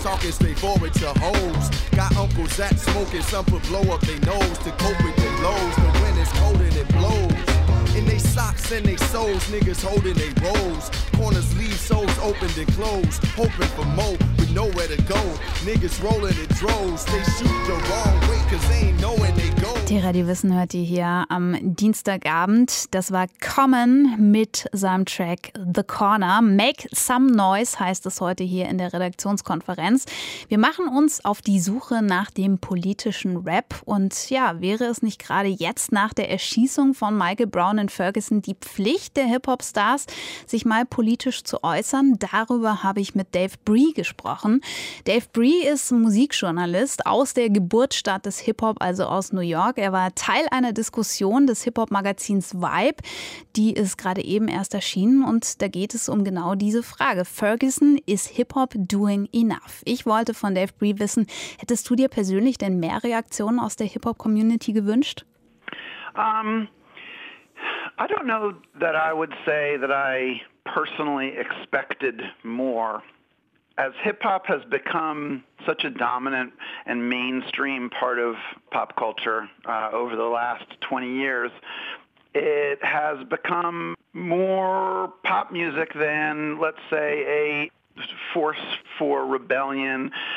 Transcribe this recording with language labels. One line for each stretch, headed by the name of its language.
English: Talking straightforward to hoes. Got uncles that smoking. Some put blow up their nose to cope with the lows. The wind is cold and it blows. And they they socks and they souls, niggas holding they rolls. Corners leave souls opened and closed, hoping for more, but nowhere to go. Niggas rolling in droves, they shoot the wrong way, cause they ain't knowing they go.
German: Tera, die Wissen hört ihr hier am Dienstagabend. Das war Common mit seinem Track The Corner. Make Some Noise heißt es heute hier in der Redaktionskonferenz. Wir machen uns auf die Suche nach dem politischen Rap. Und ja, wäre es nicht gerade jetzt nach der Erschießung von Michael Brown in Ferguson die Pflicht der Hip-Hop-Stars, sich mal politisch zu äußern? Darüber habe ich mit Dave Bree gesprochen. Dave Bree ist Musikjournalist aus der Geburtsstadt des Hip-Hop, also aus New York. Er war Teil einer Diskussion des Hip-Hop-Magazins Vibe. Die ist gerade eben erst erschienen und da geht es um genau diese Frage. Ferguson, ist
English: Hip-Hop doing enough?
German: Ich wollte von Dave Bree wissen, hättest du dir persönlich denn mehr Reaktionen aus der Hip-Hop-Community gewünscht?
English: I don't know that I would say that I personally expected more. As hip-hop has become such a dominant and mainstream part of pop culture over the last 20 years, it has become more pop music than, let's say, a force for rebellion.